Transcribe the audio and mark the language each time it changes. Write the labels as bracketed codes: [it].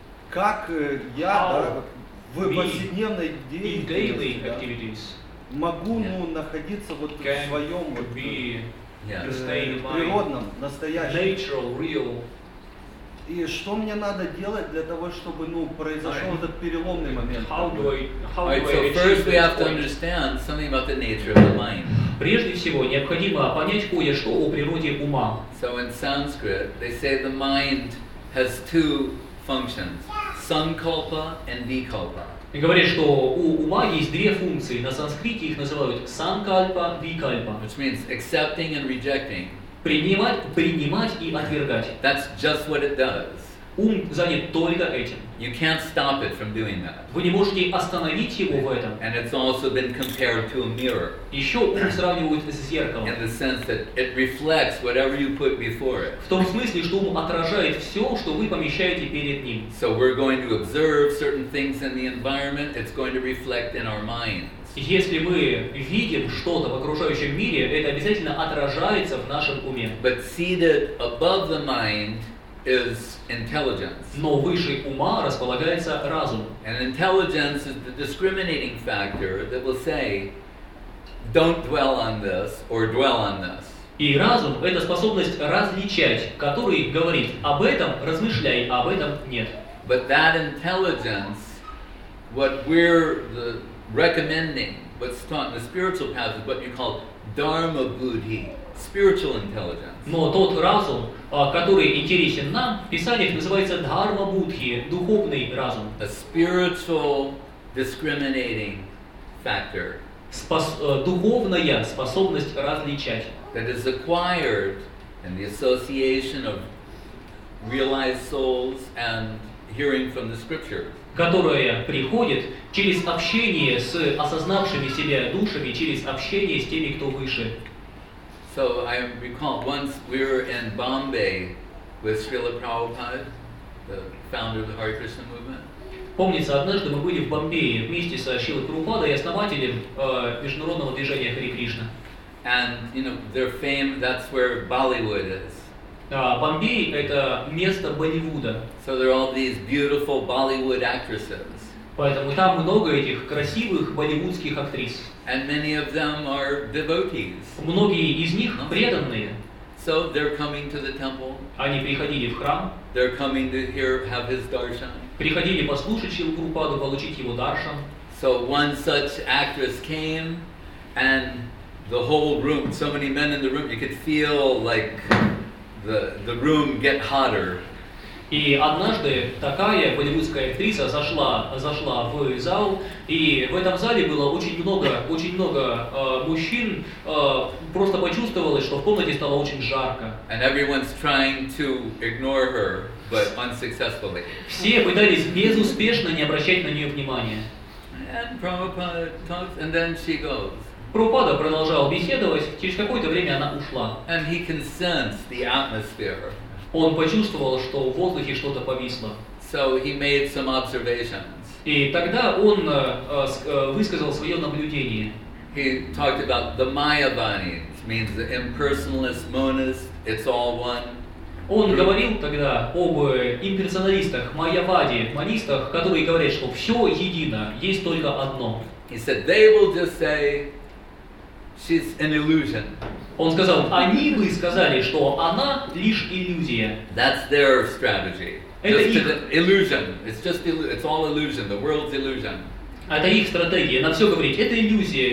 [ru] как я, да, в повседневной деятельности, могу, ну, находиться вот в своем вот, природном, настоящем. [en] Natural, real. [ru] И что мне надо делать для того, чтобы, ну, произошел этот переломный момент? [en] First we have to understand something about the nature of the mind. [ru] Прежде всего, необходимо понять кое-что о природе ума. [en] So in Sanskrit, they say the mind has two functions, sankalpa and vikalpa. [ru] И говорят, что у ума есть две функции. На санскрите их называют sankalpa, vikalpa. [en] Which means accepting and rejecting. [ru] принимать и отвергать. [en] That's just what it does. [ru] Ум занят только этим. [en] You can't stop it from doing that. [ru] Вы не можете остановить его в этом. [en] And it's also been compared to a mirror. [ru] Еще ум сравнивается с зеркалом. [en] In the sense that it reflects whatever you put before it. [ru] В том смысле, что ум отражает все, что вы помещаете перед ним. [en] So we're going to observe certain things in the environment. It's going to reflect in our minds. [ru] Если мы видим что-то в окружающем мире, это обязательно отражается в нашем уме. [en] But seated above the mind is intelligence. [ru] Но выше ума располагается разум. [en] And intelligence is the discriminating factor that will say, don't dwell on this or dwell on this. [ru] И разум — это способность различать, который говорит об этом, размышляй, а об этом нет. [en] But that intelligence, what we're recommending, what's taught in the spiritual path, is what you call dharma buddhi, spiritual intelligence. [ru] Но тот разум, который интересен нам, в Писаниях называется дхарма-будхи, духовный разум. [en] A spiritual discriminating factor. [ru] Духовная способность различать. [en] That is acquired in the association of realized souls and hearing from the scriptures. [ru] Которая приходит через общение с осознавшими себя душами, через общение с теми, кто выше. [en] So I recall once we were in Bombay with Srila Prabhupada, the founder of the Hare Krishna movement. [ru] Помнится, однажды мы были в Бомбее вместе со Шрилой Прабхупадой и основателем международного движения Хари Кришна. [en] And you know, their fame, that's where Bollywood is. [ru] Бомбей — это место Болливуда. [en] So there are all these beautiful Bollywood actresses. [ru] Поэтому там много этих красивых болливудских актрис. [en] And many of them are devotees. [ru] Многие из них преданные. [en] So they're coming to the temple. [ru] Они приходили в храм. [en] They're coming to hear, have his darshan. [ru] Приходили послушать Шрилу Прабхупаду, получить его даршан. [en] So one such actress came, and the whole room, so many men in the room, you could feel like the room get hotter. [ru] И однажды такая болливудская актриса зашла в зал, и в этом зале было очень много мужчин, просто почувствовалось, что в комнате стало очень жарко. [en] And everyone's trying to ignore her, but unsuccessfully. [ru] Все пытались безуспешно не обращать на нее внимания. [en] And Prabhupada talks, and then she goes. [ru] Прабхупада продолжал беседовать, через какое-то время она ушла. [en] And he can sense the atmosphere. [ru] Он почувствовал, что в воздухе что-то повисло. [en] So he made some observations. [ru] И тогда он высказал свое наблюдение. [en] He talked about the Mayavani, which means the impersonalist monist, it's all one. [ru] Он говорил тогда об имперсоналистах, майяваде, монистах, которые говорят, что все едино, есть только одно. [en] He said, they will just say, she's an illusion. [ru] Он сказал, они бы сказали, что она лишь иллюзия. [en] That's their strategy. It's all illusion. The world's illusion. [ru] Это их стратегия. На все говорить, это иллюзия.